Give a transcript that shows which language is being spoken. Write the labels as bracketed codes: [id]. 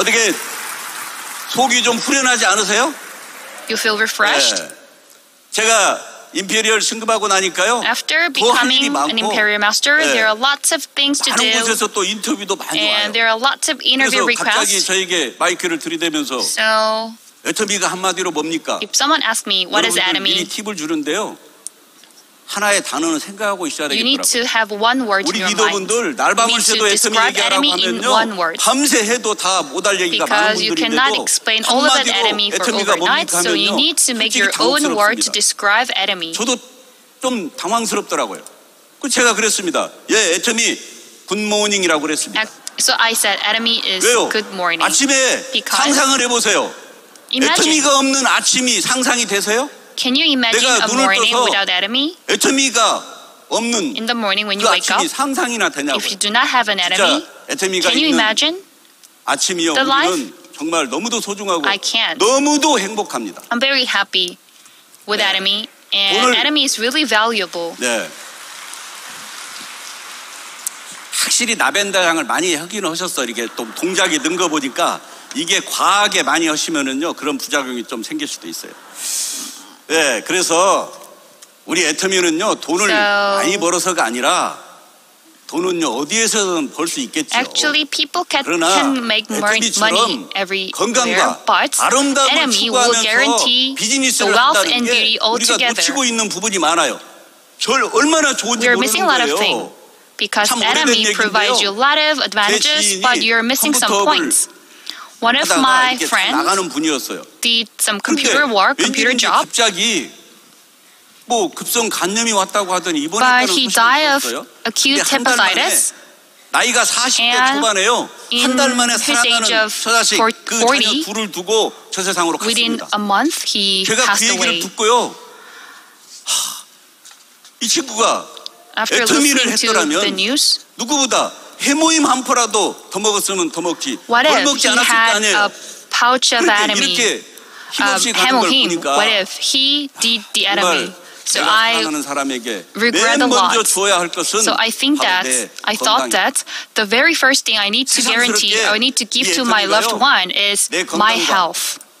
[ko] 어떻게 속이 좀 후련하지 않으세요? [en] You feel refreshed? [ko] 네. 제가 임페리얼 승급하고 나니까요. [en] After becoming an imperial master, [ko] 네. [en] there are lots of things to do. [ko] 많은 곳에서 또 인터뷰도 많이 와요. [en] And there are lots of interview requests. [ko] 갑자기 저에게 마이크를 들이대면서 [en] So, [ko] 애터미가 한마디로 뭡니까? [en] If someone asks me, what is Atomy? [ko] 미리 팁을 주는데요. 하나의 단어는 생각하고 있어야 되겠다. [en] You need to have one word in your mind. [ko] 우리 리더분들 날밤을 새도 애터미라고 하면요. 밤새 해도 다 못 할 얘기가 [en] Because [ko] 많은 분들인데도 [en] you cannot explain all of it Atomy for overnight. So you need to make your own word to describe Atomy. [ko] 저도 좀 당황스럽더라고요. 그 제가 그랬습니다. 예, 애터미 굿모닝이라고 그랬습니다. [en] So I said Atomy is [ko] 왜요? [en] good morning. [ko] 아침에 [en] Because [ko] 상상을 해 보세요. 애터미가 없는 아침이 상상이 되세요? [en] Can you imagine a morning without Atomy? [ko] 애터미가 없는 [en] In the morning when you wake up, [ko] 상상이나 되냐고. [en] If you do not have an Atomy, can you imagine [ko] 아침이요, [en] the life? [ko] 정말 너무도 소중하고 [en] I can't. [ko] 너무도 행복합니다. [en] I'm very happy with [ko] 네. [en] Atomy, and [ko] 오늘, [en] Atomy is really valuable. [ko] 네. 확실히 나벤더 향을 많이 하긴 하셨어. 이게 또 동작이 는 거 보니까 이게 과하게 많이 하시면은요 그런 부작용이 좀 생길 수도 있어요. 네, 그래서 우리 애터미는요 돈을 많이 벌어서가 아니라 돈은요 어디에서든 벌 수 있겠죠. [en] Actually, people can make more money everywhere. But Atomy will guarantee the wealth and beauty altogether. [ko] 우리가 놓치고 있는 부분이 많아요. 절 얼마나 좋은지 모르는 거예요. [en] Because Atomy provides you a lot of advantages, but you're missing some points. One of my friends did some computer work, computer job. [ko] 뭐 급성 간염이 왔다고 하더니 이번에 [en] But he died of acute hepatitis. [ko] 나이가 40대 초반에요. 한 달 만에 살아가는 처자식 그 자녀 둘을 두고 저 세상으로 갔습니다. [en] Within a month he passed away. [ko] 제가 그 얘기를 듣고요. 이 친구가 애터미를 했더라면 누구보다 해모임 한 포라도 더 먹었으면 더 먹지. 뭘 먹지 않았을 거 아니에요. [en] What if he had a pouch of Atomy? Hemohim. What if he did the Atomy? So I regret a lot. So I think that I thought that the very first thing I need to guarantee or I need to give to my loved one is my health.